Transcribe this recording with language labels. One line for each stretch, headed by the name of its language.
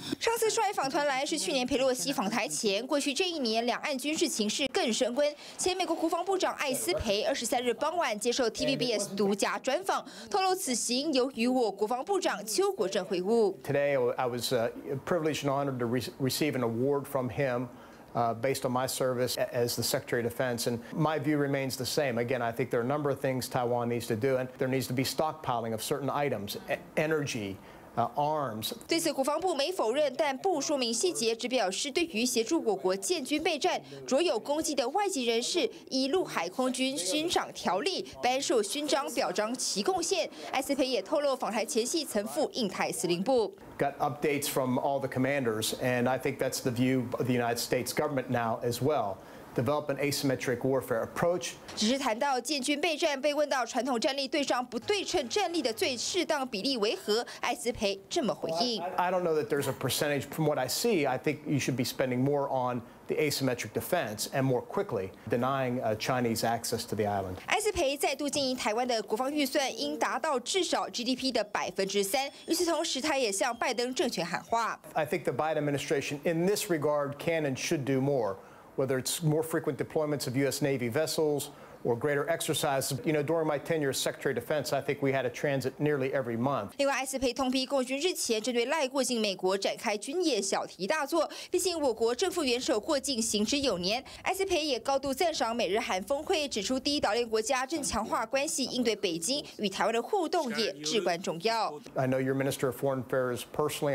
Chinese: 上次率访团来是去年佩洛西访台前，过去这一年两岸军事情势更升温。前美国国防部长艾斯培23日傍晚接受 TVBS 独家专访，透露此行由与我国防部长邱国正会晤。
English: Today I was privileged and honored to receive an award from him. Based on my service as the Secretary of Defense, and my view remains the same. Again, I think there are a number of things Taiwan needs to do, and there needs to be stockpiling of certain items, energy, arms.
Chinese: 对此，国防部没否认，但不说明细节，只表示对于协助我国建军备战，卓有功绩的外籍人士，以陆海空军勋章条例颁授勋章，表彰其贡献。艾斯培也透露，访台前夕曾赴印太司令部。
English: Got updates from all the commanders, and I think that's the view of the United States government now as well. Develop an asymmetric warfare approach.
Chinese: 只是谈到建军备战，被问到传统战力对上不对称战力的最适当比例为何，艾斯培这么回应。
English: I don't know that there's a percentage. From what I see, I think you should be spending more on the asymmetric defense and more quickly denying Chinese access to the island.
Chinese: 艾斯培再度建议，台湾的国防预算应达到至少 GDP 的3%。与此同时，他也向拜登政权喊话。
English: I think the Biden administration in this regard can and should do more. Whether it's more frequent deployments of U.S. Navy vessels or greater exercises, you know, during my tenure as Secretary of Defense, I think we had a transit nearly every month.
Chinese: 另外，艾斯培通批共军日前针对赖过境美国展开军演，小题大做。毕竟我国政府元首过境行之有年。艾斯培也高度赞赏美日韩峰会，指出第一岛链国家正强化关系，应对北京与台湾的互动也至关重要。
English: I know your Minister of Foreign Affairs personally.